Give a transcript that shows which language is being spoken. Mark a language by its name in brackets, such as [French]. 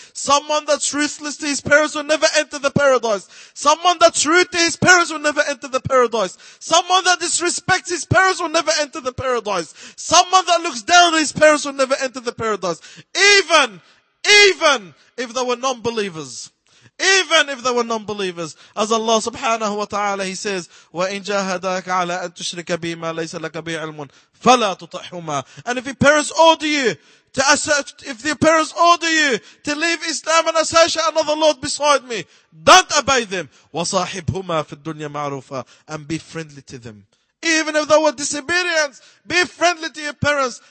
[English] Someone that's ruthless to his parents will never enter the paradise. Someone that's rude to his parents will never enter the paradise. Someone that disrespects his parents will never enter the paradise. Someone that looks down on his parents will never enter the paradise. Even if they were non-believers. Even if they were non-believers, as Allah subhanahu wa ta'ala, He says, [Arabic] وَإِنْ جَاهَدَاكَ عَلَىٰ أَنْ تُشْرِكَ بِي مَا لَيْسَ لَكَ بِي عِلْمٌ فَلَا تُطَحْهُمَا. [English] And if your parents order you to assert, if your parents order you to leave Islam and associate another Lord beside me, don't obey them. [Arabic] وَصَاحِبْهُمَا فِي الدُّنْيَا مَعْرُوفًا. [English] And be friendly to them. Even if they were disobedience, be friendly to your parents.